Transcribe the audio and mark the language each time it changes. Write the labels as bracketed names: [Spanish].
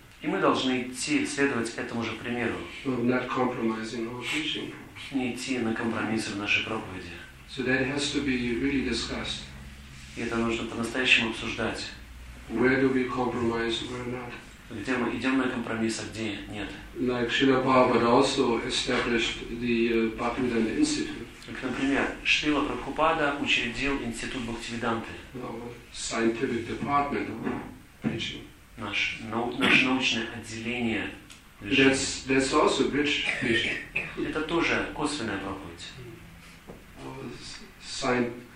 [Russian] И мы должны идти, следовать этому же примеру. [English] Of not compromising our preaching. [Russian] Не идти на компромиссы в нашей проповеди. [English] So that has to be really discussed. [Russian] И это нужно по-настоящему обсуждать. [English] Where do we compromise, where not? [Russian] Где мы идем на компромисс, а где нет? [English] Like Srila Prabhupada also established the Bhaktivedanta Institute. [Russian] Как, например, Шрила Прабхупада учредил Институт Бхактивиданты. [English] Scientific department of preaching. [Russian] Наше научное отделение. [English] That's also rich vision. [Russian] Это тоже косвенная проповедь.